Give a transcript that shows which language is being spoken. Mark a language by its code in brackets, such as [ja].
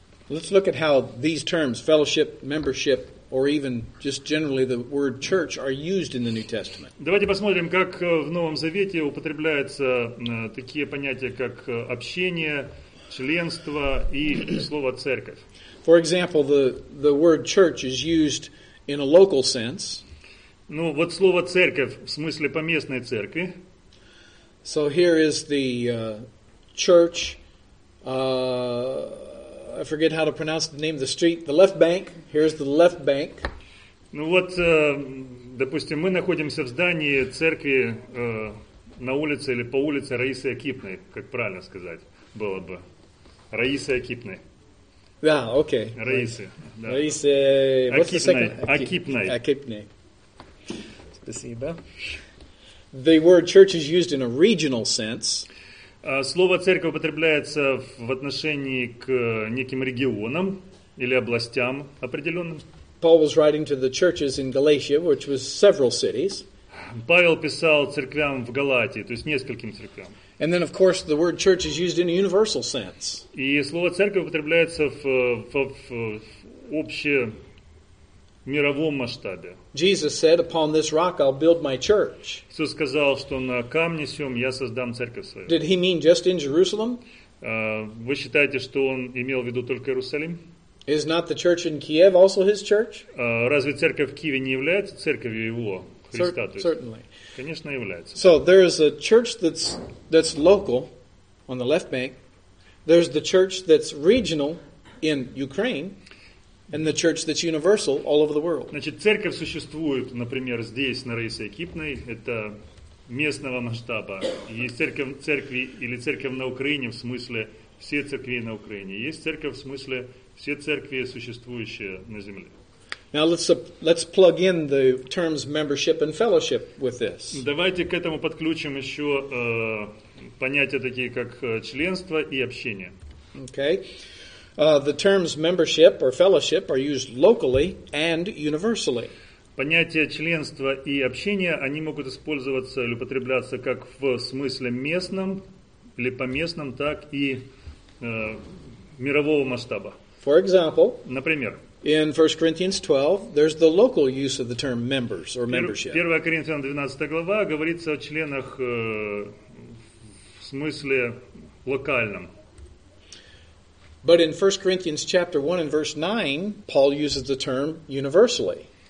[en] Let's look at how these terms, fellowship, membership, or even just generally the word church are used in the New Testament. [ru] Давайте посмотрим, как в Новом Завете употребляются такие понятия, как общение, членство и слово церковь. [en] For example, the word church is used in a local sense. [ru] Ну, вот слово церковь в смысле поместной церкви. [en] So here is the church I forget how to pronounce the name of the street. The left bank. Here's the left bank. [ru] Ну вот, допустим, мы находимся в здании церкви на улице или по улице Раисы Акипной, как правильно сказать было бы. Раисы Акипной. Да, окей. Раисы. Раисы Акипной. Акипной. Спасибо. [en] The word church is used in a regional sense. [ru] Слово «церковь» употребляется в отношении к неким регионам или областям определенным. [en] Paul was writing to the churches in Galatia, which was several cities. [ru] Павел писал церквям в Галатии, то есть нескольким церквям. [en] And then, of course, the word «church» is used in a universal sense. [ru] И слово «церковь» употребляется в общем мировом масштабе. [en] Jesus said, "Upon this rock I'll build my church." [ru] Иисус сказал, что на камне сём я создам церковь свою. [en] Did he mean just in Jerusalem? [ru] Вы считаете, что он имел в виду только Иерусалим? [en] Is not the church in Kiev also his church? [ru] Разве церковь в Киеве не является церковью его, Христа? [en] Certainly. [ru] Конечно, является. [en] So there is a church that's local on the left bank. There's the church that's regional in Ukraine. And the church that's universal all over the world. [ru] Значит, церковь существует, например, здесь, на Раисе Экипной. Это местного масштаба. Есть церковь или церковь на Украине, в смысле все церкви на Украине. Есть церковь, в смысле все церкви, существующие на земле. [en] Now let's plug in the terms membership and fellowship with this. [ru] Давайте к этому подключим еще понятия такие, как членство и общение. [en] Okay. The terms membership or fellowship are used locally and universally. [ru] Понятия членства и общения, они могут использоваться или употребляться как в смысле местном или поместном, так и мирового масштаба. [en] For example, [ru] например, [en] in 1 Corinthians 12, there's the local use of the term members or membership. [ru] 1 Коринфянам 12 глава говорится о членах в смысле локальном. [en] But in 1 Corinthians chapter 1 and verse 9, Paul uses the term universally.